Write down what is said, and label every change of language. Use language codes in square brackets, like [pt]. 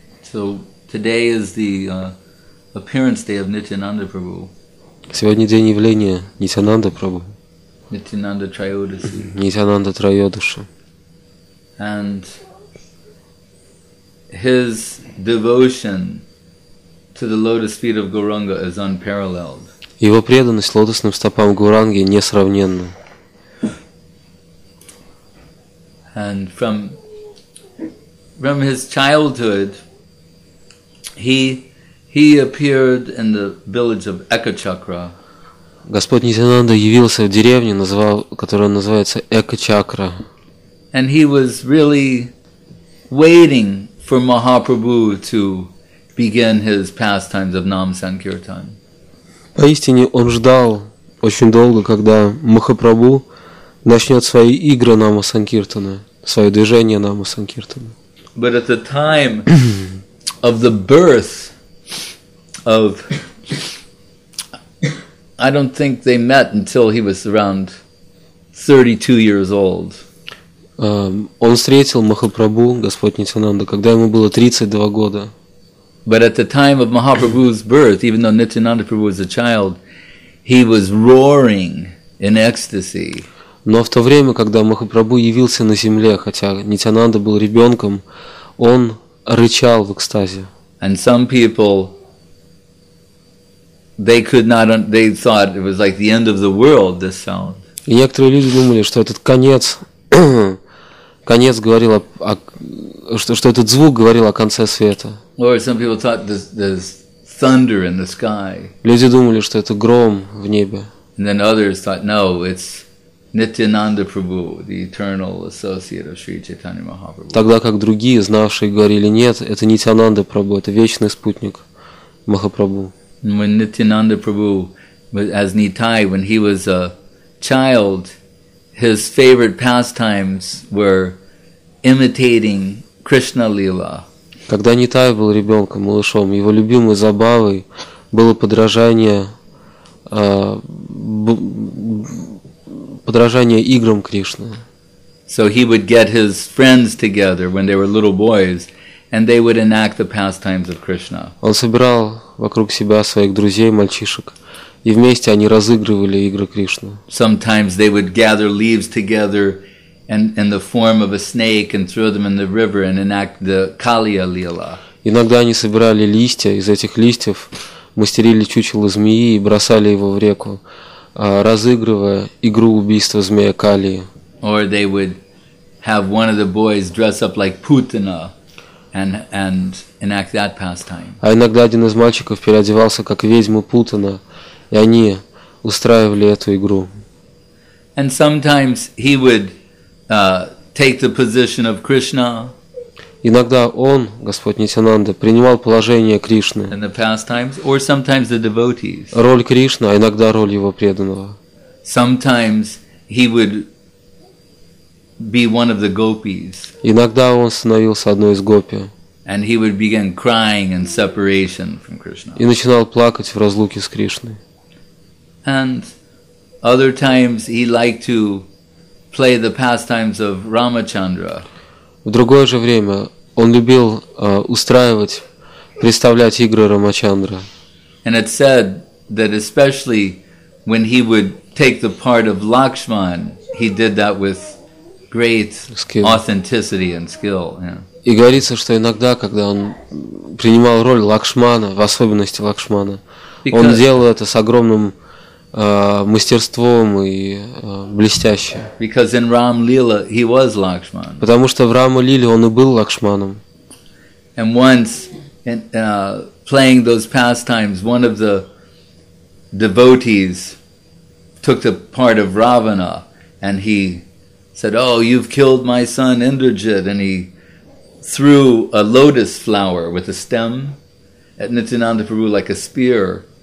[en] So today is the appearance day of Nityananda Prabhu. [ru] Сегодня день явления Нитянанда Прабху. [en] Nityananda Trayodashi. [ru] Nityananda Trayodashi. [en] And his devotion to the lotus feet of Gauranga is unparalleled. [ru] Его преданность лотосным стопам Гуранги несравненна. [en] And from his childhood, he appeared in the village of Ekachakra. [ru] Господь Нитянанда явился в деревне, которая называется Экачакра. [en] And he was really waiting for Mahaprabhu to begin his pastimes of Nam Sankirtan. [ru] Поистине, он ждал очень долго, когда Махапрабху начнет свои игры Нама Санкиртана, свое движение Нама Санкиртана. [en] But at the time of the birth of, I don't think they met until he was around 32 years old. [ru] Он встретил Махапрабху, Господь Нитянанда, когда ему было 32 года. [en] But at the time of Mahaprabhu's birth, even though Nityananda Prabhu was a child, he was roaring in ecstasy. [ru] Но в то время, когда Махапрабху явился на земле, хотя Нитянанда был ребенком, он рычал в экстазе. [en] And some people, they could not, they thought it was like the end of the world, this sound. [ru] И некоторые люди думали, что этот конец, конец говорил о что этот звук говорил о конце света. [en] Or some people thought there's thunder in the sky. [ru] Люди думали, что это гром в небе. [en] And then others thought, no, it's Nityananda Prabhu, the eternal associate of Sri Chaitanya Mahaprabhu. [ru] Тогда как другие, знавшие, говорили, нет, это Нитянанда Прабху, это вечный спутник Махапрабху. [en] When Nityananda Prabhu, as Nitai, when he was a child, his favorite pastimes were imitating Krishna Lila. [ru] Когда Нитай был ребенком, малышом, его любимой забавой было подражание играм Кришны. [en] So he would get his friends together when they were little boys, and they would enact the pastimes of Krishna. [ru] Он собирал вокруг себя своих друзей, мальчишек, и вместе они разыгрывали игры Кришны. [en] Sometimes they would gather leaves together and in the form of a snake and throw them in the river and enact the Kaliya Lila. [ru] Иногда они собирали листья, из этих листьев мастерили чучело змеи и бросали его в реку, разыгрывая игру убийства змея Калии. [en] Or they would have one of the boys dress up like Putana and enact that pastime. [ru] А иногда один из мальчиков переодевался как ведьма Путана, и они устраивали эту игру. [en] And sometimes he would take the position of Krishna. [ru] Иногда он, Господь Нитянанда, принимал положение Кришны. [en] In the pastimes, or sometimes the devotees. [ru] Роль Кришны, а иногда роль его преданного. [en] Sometimes he would be one of the gopis. [ru] Иногда он становился одной из гопи. [en] And he would begin crying in separation from Krishna. [ru] И начинал плакать в разлуке с Кришной. [en] And other times he liked to play the pastimes of Ramachandra. [ru] В другое же время он любил устраивать, представлять игры Рамачандры. [en] And it said that especially when he would take the part of Lakshman, he did that with great skill. Authenticity and skill. Yeah. [ru] И говорится, что иногда, когда он принимал роль Лакшмана, в особенности Лакшмана, because он делал это с огромным мастерством и блестяще. [en] Because in Ram Lila he was Lakshman. [ru] Потому что в Рама Лиле он и был Лакшманом. [en] And once in playing those pastimes, one of the devotees took the part of Ravana and he said, "Oh, you've killed my son Indrajit," and he threw a lotus flower with a stem at Nityananda Prabhu like a spear.